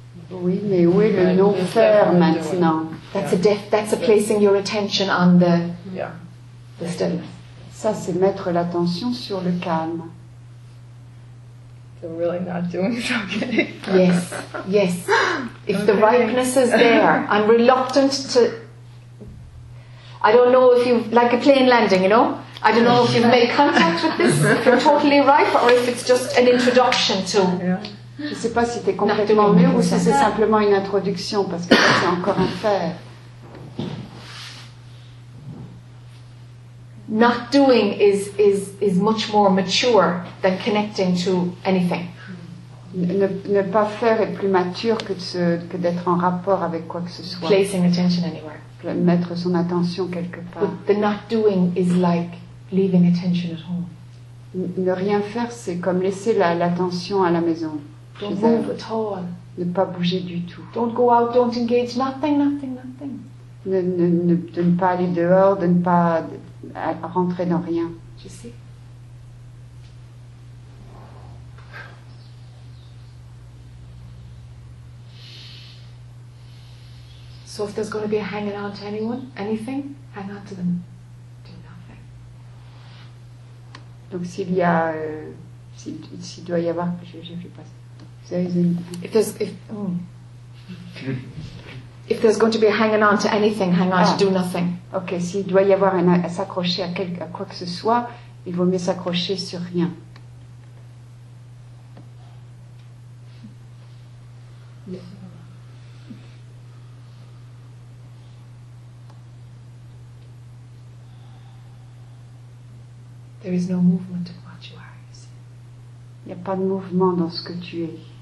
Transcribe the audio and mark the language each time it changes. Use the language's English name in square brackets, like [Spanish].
[French] Oui, mais où est le non-faire maintenant? [English] That's a that's a placing your attention on the the stillness. [French] Ça, c'est mettre l'attention sur le calme. [English] So really not doing something. Yes, yes. If the ripeness is there, I'm reluctant to. I don't know if you like a plane landing, you know. I don't know if you've made contact with this, if you're totally ripe, or if it's just an introduction to. [French] Je ne sais pas si tu es complètement mûr ou si c'est simplement une introduction, parce que c'est encore un faire. [English] Not doing is much more mature than connecting to anything. [French] Ne pas faire est plus mature que d'être en rapport avec quoi que ce soit. [English] Placing attention anywhere. [French] Mettre son attention quelque part. [English] But the not doing is like leaving attention at home. [French] Ne rien faire, c'est comme laisser l'attention à la maison. [English] Don't move at all. [French] Ne pas bouger du tout. [English] Don't go out, don't engage, nothing, nothing, nothing. [French] De ne pas aller dehors, de ne pas rentrer dans rien. Tu sais. [English] So if there's going to be a hanging on to anyone, anything, hang on to them. Do nothing. [French] Donc s'il y a, s'il doit y avoir, je ne sais pas. [English] If there's going to be hanging on to anything, hang on to do nothing. [French] Okay, s'il doit y avoir un, à s'accrocher à, quel, à quoi que ce soit, il vaut mieux s'accrocher sur rien. [English] There is no movement in what you are, you see. [French] Il n'y a pas de mouvement dans ce que tu es.